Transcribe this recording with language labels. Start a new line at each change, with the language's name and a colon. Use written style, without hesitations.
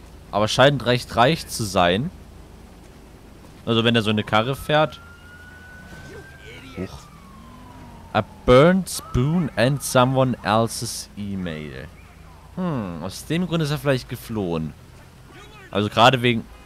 German: Aber scheint recht reich zu sein. Also wenn er so eine Karre fährt. Huch.
English: A burnt spoon and someone else's email.
German: Aus dem Grund ist er vielleicht geflohen. Also gerade wegen...